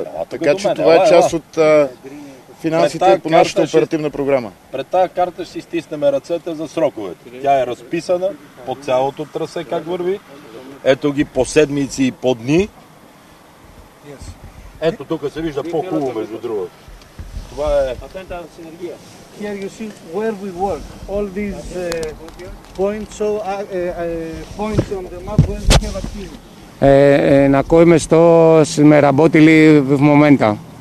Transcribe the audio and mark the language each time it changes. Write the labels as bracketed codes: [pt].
[bg] Така че това е част от финансите по нашата оперативна програма. Пред тая карта ще си стиснеме ръцете за сроковете. Тя е разписана по цялото трасе, как върви. Ето ги по седмици и по дни. Ето тук се вижда по-хубаво между другото. Това е... [en] Here you see where we work. All these points, so points on the map where we have activity. Να κοίμε στο σήμερα μπότι λίβ μομέντα.